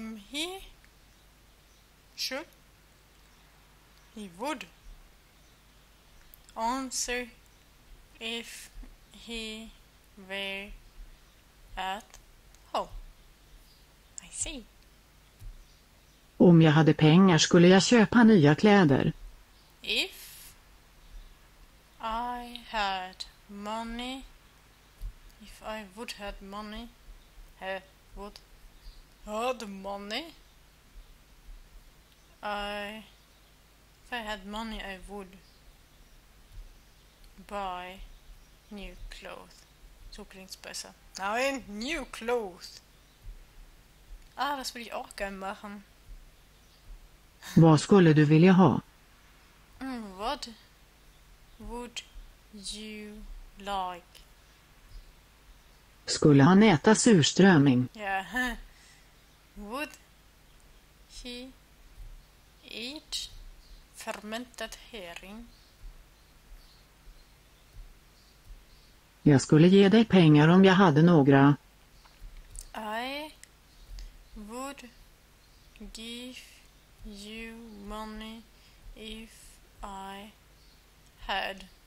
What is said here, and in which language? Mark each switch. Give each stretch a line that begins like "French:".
English: He should, he would answer if he were at home. I see.
Swedish: Om jag hade pengar skulle jag köpa nya kläder.
English: If I had money, if I would had money, he would had money. If I had money, I would buy new clothes.
German: Zuckerlingsbesser. Nein,
English: new clothes.
German: Ah, das würde ich auch gern machen.
Swedish: Vad skulle du vilja ha?
English: What would you like?
Swedish: Skulle han äta surströmming?
English: Yeah. Would he eat fermented herring?
Swedish: Jag skulle ge dig pengar om jag hade några.
English: I would give you money if I had.